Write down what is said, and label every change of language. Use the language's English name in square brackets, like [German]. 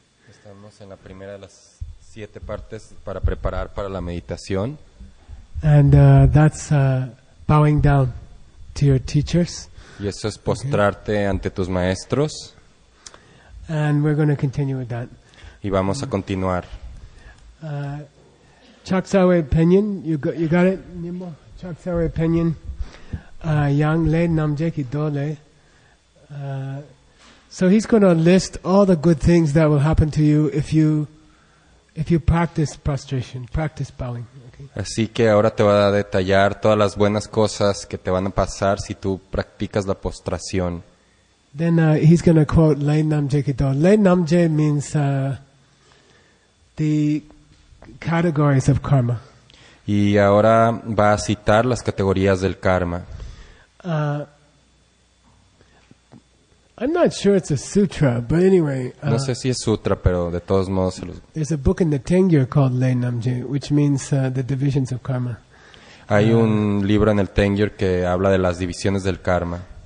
[Spanish] Estamos en la primera de las siete partes para preparar para la meditación. [English] And that's bowing down to your teachers. [Spanish] Y eso es postrarte ante tus maestros. [English] And we're going to continue with that. [Spanish] Y vamos a continuar. [Tibetan] Chöksawe Penyin, [English] you got it, Nimbo? [Tibetan] Chöksawe Penyin, Yang Le Namje Ki Do Le. [English] So he's going to list all the good things that will happen to you if you practice prostration, practice bowing. Okay. [Spanish] Así que ahora te va a detallar todas las buenas cosas que te van a pasar si tú practicas la postración. [English] Then he's going to quote Le Namje Ki Do. Le Namje means the categories of karma. [Spanish] Y ahora va a citar las categorías del karma. [English] I'm not sure it's a sutra, but anyway. [Spanish] No sé si es sutra, pero de todos modos. [English] There's a book in the Tengyur called Le Namje, which means the divisions of karma. [Spanish] Hay un libro en el Tengyur que habla de las divisiones del karma.